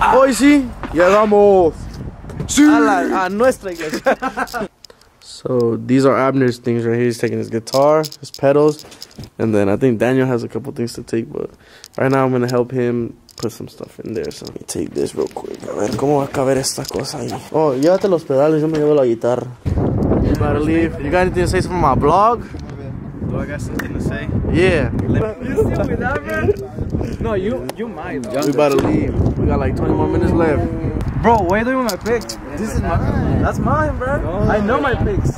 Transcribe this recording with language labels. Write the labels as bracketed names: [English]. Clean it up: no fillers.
[Spanish] Hoy sí, llegamos. Sí. A nuestra iglesia. [English] So these are Abner's things right here. He's taking his guitar, his pedals, and then I think Daniel has a couple things to take, but right now I'm gonna help him put some stuff in there, so let me take this real quick. [Spanish] A ver, ¿cómo va a caber esta cosa ahí? Oh, llévate los pedales, yo me llevo la guitarra. [English] You better leave. You got anything to say from my blog? Do I got something to say? Yeah. No, you might though. We about to leave. We got like 20 more minutes left. Bro, why are you doing my pick? This is mine. That's mine, bro. No, I know my picks.